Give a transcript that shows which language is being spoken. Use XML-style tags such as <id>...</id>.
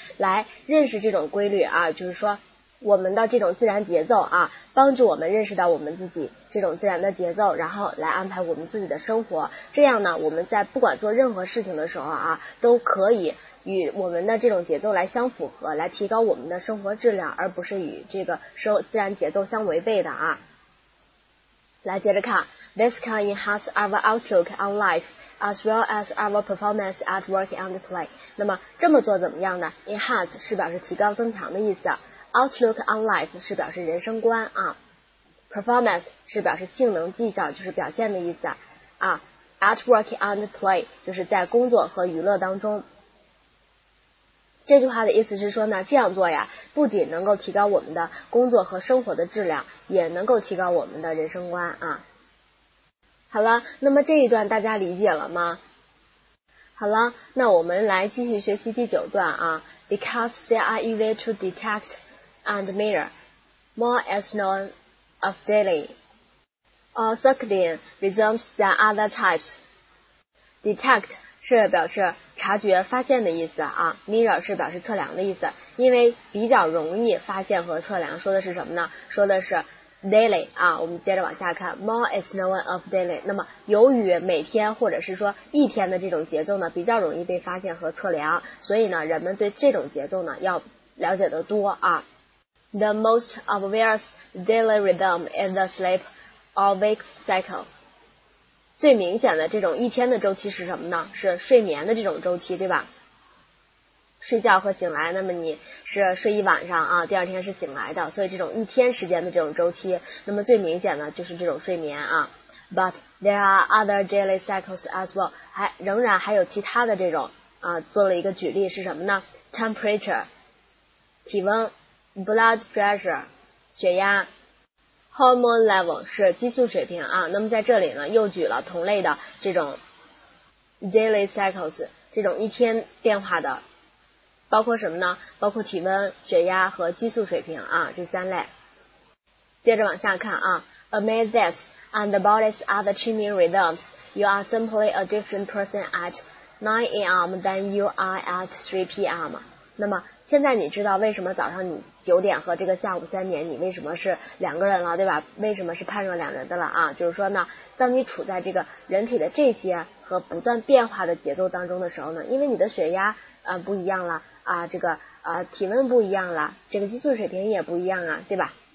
<zh>来认识这种规律啊，就是说我们的这种自然节奏啊，帮助我们认识到我们自己这种自然的节奏，然后来安排我们自己的生活。这样呢，我们在不管做任何事情的时候啊，都可以与我们的这种节奏来相符合，来提高我们的生活质量，而不是与这个生自然节奏相违背的啊。来接着看</zh> <en>，This can enhance our outlook on life as well as our performance at work and play。</en> <zh>那么这么做怎么样呢 ？Enhance 是表示提高、增强的意思。 Outlook on life 是表示人生观啊， Performance 是表示性能、绩效，就是表现的意思啊。</zh> <en>At work and play</en> <zh>就是在工作和娱乐当中。这句话的意思是说呢，这样做呀，不仅能够提高我们的工作和生活的质量，也能够提高我们的人生观啊。好了，那么这一段大家理解了吗？好了，那我们来继续学习第九段啊。</zh> <en>Because there are easy to detect and mirror, more is known of daily. All circadian rhythms than other types.</en> <zh>Detect 是表示察觉、发现的意思啊， mirror 是表示测量的意思。因为比较容易发现和测量，说的是什么呢？说的是 daily 啊。我们接着往下看，</zh> <en>more is known of daily。</en> <zh>那么由于每天或者是说一天的这种节奏呢，比较容易被发现和测量，所以呢，人们对这种节奏呢要了解的多啊。</zh> <en>The most obvious daily rhythm is the sleep or wake cycle.</en> <zh>最明显的这种一天的周期是什么呢？是睡眠的这种周期，对吧？睡觉和醒来，那么你是睡一晚上啊，第二天是醒来的，所以这种一天时间的这种周期，那么最明显的就是这种睡眠啊。</zh> <en>But there are other daily cycles as well.</en> <zh>仍然还有其他的这种啊，做了一个举例是什么呢？ Temperature, 体温。Blood pressure, 血压 ,hormone level, 是激素水平啊。那么在这里呢又举了同类的这种 daily cycles, 这种一天变化的，包括什么呢？包括体温、血压和激素水平啊，这三类。接着往下看啊，</zh> <en>Amid this and the body's other changing rhythms, you are simply a different person at 9 a.m. then you are at 3 p.m.</en> <zh>那么现在你知道为什么早上你9点和这个下午3点你为什么是两个人了，对吧？为什么是判若两人的了啊？就是说呢，当你处在这个人体的这些和不断变化的节奏当中的时候呢，因为你的血压不一样了啊，这个体温不一样了，这个激素水平也不一样啊，对吧？</zh>